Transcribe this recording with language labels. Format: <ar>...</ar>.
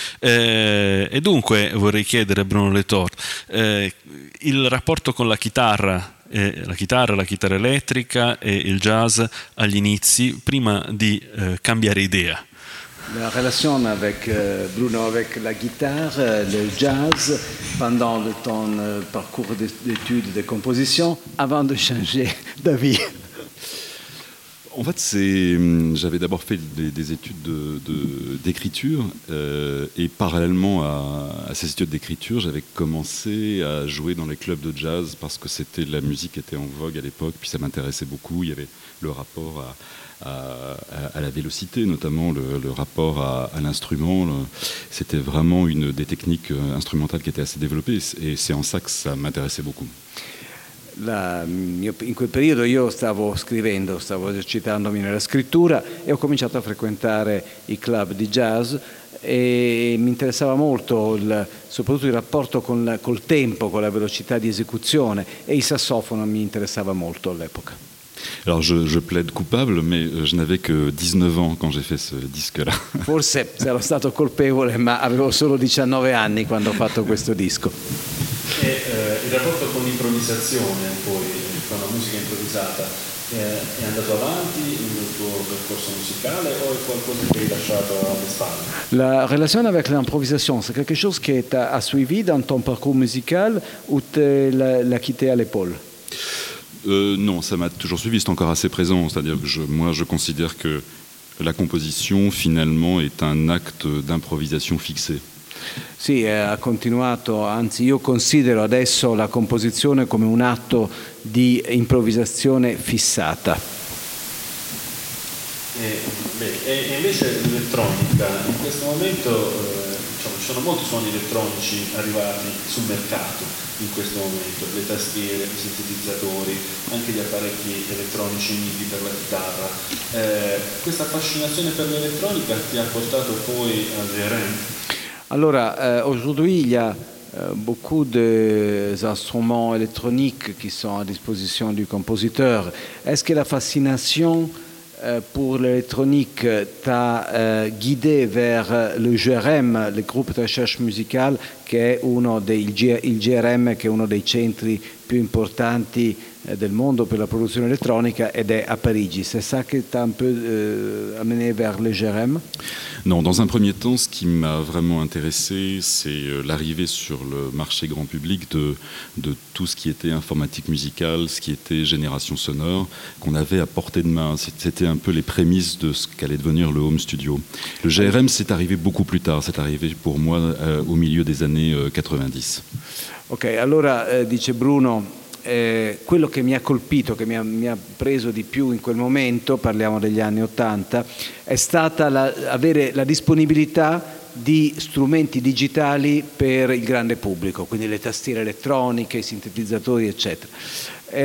<it>E dunque vorrei chiedere a Bruno Letort, il rapporto con la chitarra elettrica e il jazz agli inizi, prima di cambiare idea.</it> <fr>La relation avec Bruno, avec la guitare, le jazz, pendant le temps parcours d'études de composition, avant de changer d'avis. En fait, j'avais d'abord fait des études d'écriture, et parallèlement à ces études d'écriture, j'avais commencé à jouer dans les clubs de jazz parce que c'était la musique était en vogue à l'époque, puis ça m'intéressait beaucoup. Il y avait le rapport à la vélocité, notamment le rapport à l'instrument. C'était vraiment une des techniques instrumentales qui était assez développée, et c'est en ça que ça m'intéressait beaucoup.</fr> <it>In quel periodo io stavo scrivendo, stavo esercitandomi nella scrittura e ho cominciato a frequentare i club di jazz e mi interessava molto soprattutto il rapporto col tempo, con la velocità di esecuzione, e il sassofono mi interessava molto all'epoca.</it> <fr>Alors je plaide coupable, mais je n'avais que 19 ans quand j'ai fait ce disque-là.</fr> <it>Forse ero stato colpevole, ma avevo solo 19 anni quando ho fatto questo disco. E il rapporto con l'improvvisazione, poi, con la musica improvvisata, è andato avanti il tuo percorso musicale o è qualcosa che hai lasciato alle spalle? La relazione</it> <fr>avec l'improvisation, c'est quelque chose qui t'a suivi dans ton parcours musical ou l'a quitté à l'épaule? Non, ça m'a toujours suivi, c'est encore assez présent. C'est-à-dire que je considère que la composition, finalement, est un acte d'improvisation fixé.</fr> <it>Sì, ha continuato, anzi io considero adesso la composizione come un atto di improvvisazione fissata. E invece l'elettronica, in questo momento ci sono molti suoni elettronici arrivati sul mercato in questo momento, le tastiere, i sintetizzatori, anche gli apparecchi elettronici MIDI per la chitarra. Questa affascinazione per l'elettronica ti ha portato poi al VRM?</it> <fr>Alors, aujourd'hui, il y a beaucoup d'instruments électroniques qui sont à disposition du compositeur. Est-ce que la fascination pour l'électronique t'a guidé vers le GRM, le groupe de recherche musicale, qui est</fr> <it>uno dei, il GRM,</it> <fr>qui est</fr> <it>uno dei centri più importanti del mondo per la produzione elettronica ed è a Parigi.</it> <fr>C'est ça qui t'a un peu amené vers le GRM? Non, dans un premier temps, ce qui m'a vraiment intéressé, c'est l'arrivée sur le marché grand public de tout ce qui était informatique musicale, ce qui était génération sonore, qu'on avait à portée de main. C'était un peu les prémices de ce qu'allait devenir le home studio. Le GRM, c'est arrivé beaucoup plus tard. C'est arrivé pour moi au milieu des années 90.</fr> <it>Ok, allora dice Bruno, quello che mi ha colpito, che mi ha preso di più in quel momento, parliamo degli anni 80, è stata avere la disponibilità di strumenti digitali per il grande pubblico, quindi le tastiere elettroniche, i sintetizzatori, eccetera.</it>